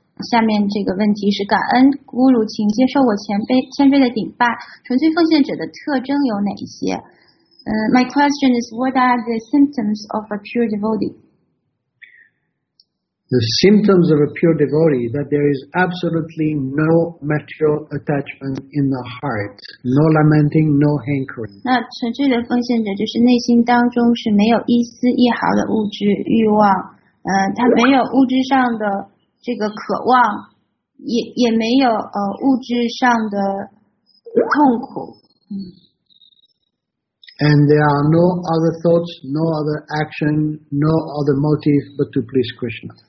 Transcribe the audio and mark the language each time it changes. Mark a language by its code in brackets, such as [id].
[zh] 下面这个问题是感恩咕噜，请接受我谦卑的顶拜。纯粹奉献者的特征有哪一些？ [en] My question is, what are the symptoms of a pure devotee? The symptoms of a pure devotee that there is absolutely no material attachment in the heart, no lamenting, no hankering. [zh] 那纯粹的奉献者就是内心当中是没有一丝一毫的物质欲望，他没有物质上的这个渴望，也没有物质上的痛苦。 [en] And there are no other thoughts, no other action, no other motive but to please Krishna.